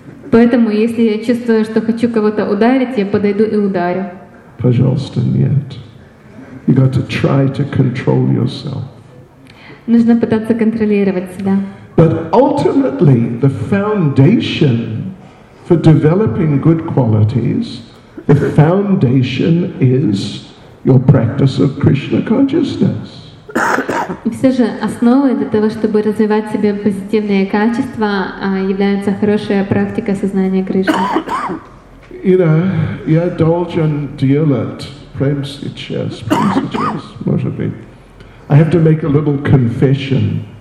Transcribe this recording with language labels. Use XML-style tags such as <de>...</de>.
<ru>Поэтому, если я чувствую, что хочу кого-то ударить, я подойду и ударю. Пожалуйста, нет.</ru> <en>You got to try to control yourself.</en> <ru>Нужно пытаться контролировать себя.</ru> <en>But ultimately, the foundation for developing good qualities, the foundation is your practice of Krishna consciousness.</en> <ru>И все же основой для того, чтобы развивать в себе позитивные качества, является хорошая практика сознания Кришны.</ru> <en>You know,</en> <ru>я должен делать прямо сейчас, может быть.</ru> <en>I have to make a little confession.</en>